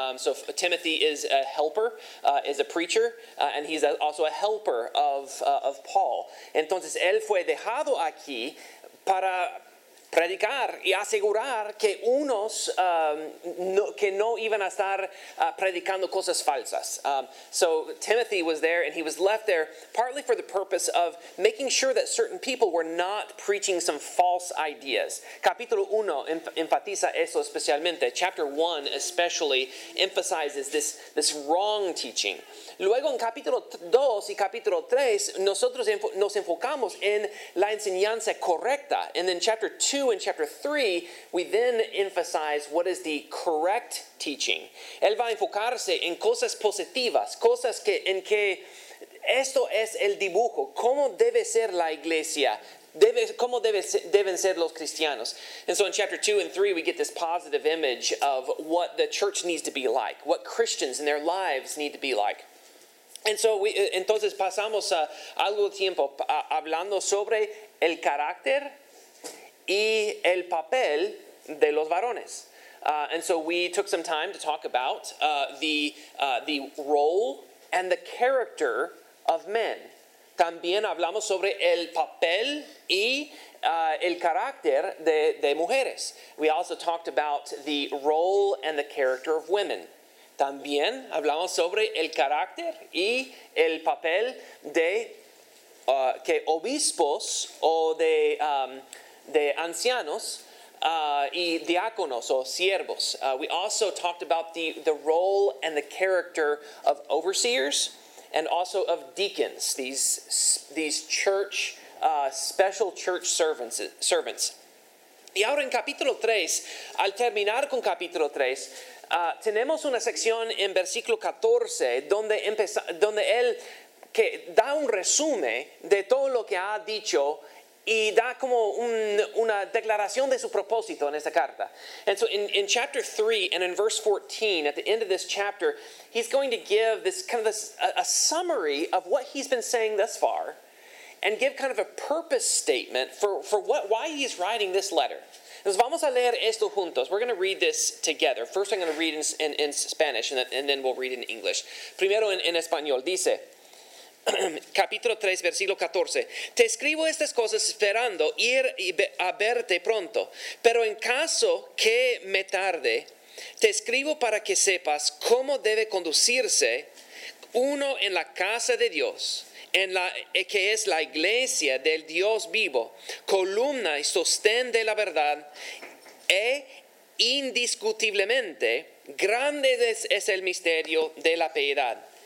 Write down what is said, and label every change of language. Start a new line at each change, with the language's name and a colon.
English: So Timothy is a helper, is a preacher, and he's also a helper of Paul.
Spanish: Entonces, él fue dejado aquí para predicar y asegurar que unos no iban a estar predicando cosas falsas.
English: So Timothy was there and he was left there partly for the purpose of making sure that certain people were not preaching some false ideas.
Spanish: Capítulo 1 enfatiza eso especialmente.
English: Chapter 1 especially emphasizes this wrong teaching.
Spanish: Luego en capítulo 2 y capítulo 3 nosotros nos enfocamos en la enseñanza correcta.
English: And then chapter 2 in chapter 3, we then emphasize what is the correct teaching.
Spanish: Él va a enfocarse en cosas positivas, cosas que en que esto es el dibujo, cómo debe ser la iglesia, deben ser los cristianos.
English: And so in chapter 2 and 3, we get this positive image of what the church needs to be like, what Christians and their lives need to be like. And so
Spanish: entonces pasamos algo tiempo hablando sobre el carácter y el papel de los varones.
English: And so we took some time to talk about the role and the character of men.
Spanish: También hablamos sobre el papel y el carácter de mujeres.
English: We also talked about the role and the character of women.
Spanish: También hablamos sobre el carácter y el papel de que obispos o de ancianos y diáconos o siervos.
English: We also talked about the role and the character of overseers and also of deacons, these church, special church servants.
Spanish: Y ahora en capítulo 3, al terminar con capítulo 3, tenemos una sección en versículo 14 donde él que da un resumen de todo lo que ha dicho y da como una declaración de su propósito en esta carta.
English: And so in chapter 3 and in verse 14, at the end of this chapter, he's going to give this kind of a summary of what he's been saying thus far and give kind of a purpose statement for why he's writing this letter.
Spanish: Entonces vamos a leer esto juntos.
English: We're going to read this together. First I'm going to read in Spanish and then we'll read in English.
Spanish: Primero en español dice, capítulo 3, versículo 14. Te escribo estas cosas esperando ir a verte pronto. Pero en caso que me tarde, te escribo para que sepas cómo debe conducirse uno en la casa de Dios, en la que es la iglesia del Dios vivo, columna y sostén de la verdad, e indiscutiblemente grande es el misterio de la piedad.